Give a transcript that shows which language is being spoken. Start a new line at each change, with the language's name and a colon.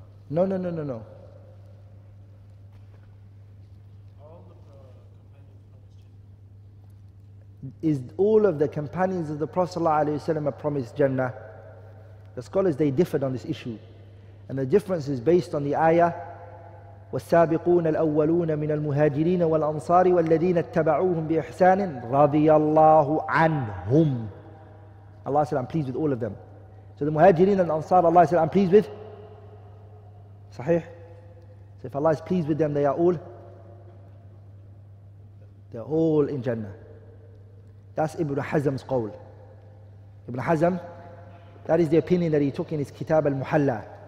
English: No. Is all of the companions of the Prophet ﷺ a promised Jannah? The scholars, they differed on this issue. And the difference is based on the ayah,
Arabic: وَالسَّابِقُونَ الْأَوَّلُونَ مِنَ الْمُهَاجِرِينَ وَالْأَنصَارِ وَالَّذِينَ اتَّبَعُوهُمْ بِإِحْسَانٍ رَضِيَ اللَّهُ عَنْهُمْ.
English: Allah said, I'm pleased with all of them. So the muhajirin and ansar, Allah said, I'm pleased with? Sahih? So if Allah is pleased with them, they're all in Jannah. That's Ibn Hazm's qawl. Ibn Hazm, that is the opinion that he took in his Kitab al-Muhalla.